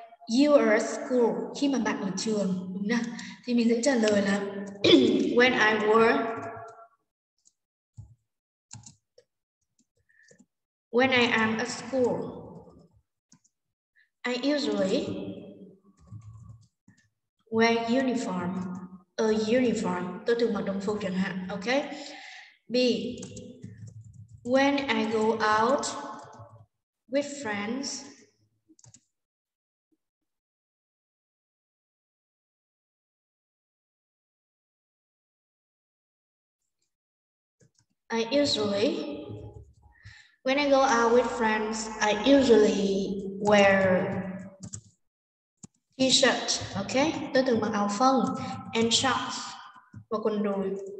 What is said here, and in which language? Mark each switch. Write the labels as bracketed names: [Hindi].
[English] You are at school. [Vietnamese] Khi mà bạn ở trường, đúng không? Thì mình sẽ trả lời là [English] when I were. When I am at school, I usually wear uniform. A uniform. [Vietnamese] Tôi thường mặc đồng phục chẳng hạn. [English] Okay. B. When I go out with friends, I usually, when I go out with friends, I usually wear t-shirt, okay? [Vietnamese] Tôi thường mặc áo phông [English] and shorts [Vietnamese] và quần đùi.